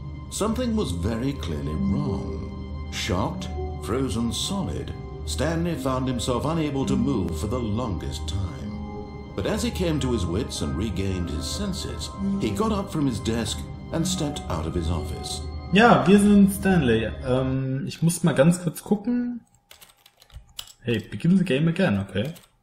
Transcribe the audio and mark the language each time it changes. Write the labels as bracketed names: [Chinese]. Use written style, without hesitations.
[English] Something was very clearly wrong. Shocked, frozen solid, Stanley found himself unable to move for the longest time. But as he came to his wits and regained his senses, he got up from his desk and stepped out of his office. [German] Ja, wir sind Stanley. Ich muss mal ganz kurz gucken. [English] Hey, begin the game again, okay?